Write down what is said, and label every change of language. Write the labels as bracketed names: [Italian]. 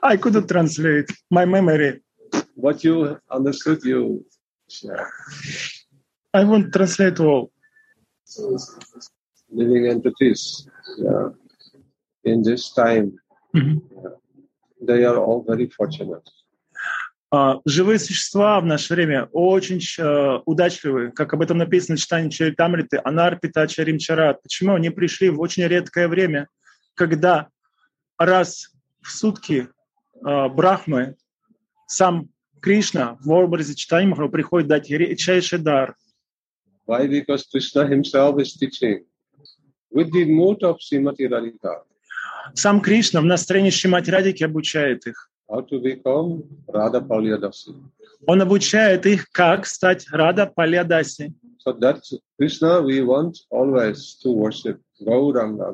[English] I couldn't translate my memory. What you understood, you share. I won't translate all. Living entities, yeah, in this time, mm-hmm. yeah, they are all very fortunate. [Russian] Живые существа в наше время очень удачливы, как об этом написано в читании Чаритамриты, Анарпита Чарим Чарат. Почему? Они пришли в очень редкое время, когда раз в сутки Брахмы, сам Кришна в образе Чайтанья Махапрабху приходит дать редчайший дар. [English] Why? Because Krishna himself is teaching with the mood of Srimati Radhika. [Russian] Сам Кришна в настроении Шримати Радики обучает их. [English] How to become Radha Palya Dasi. [Russian] Он обучает их, как стать Радха Палья Даси. [English] So that Krishna we want always to worship Gauranga.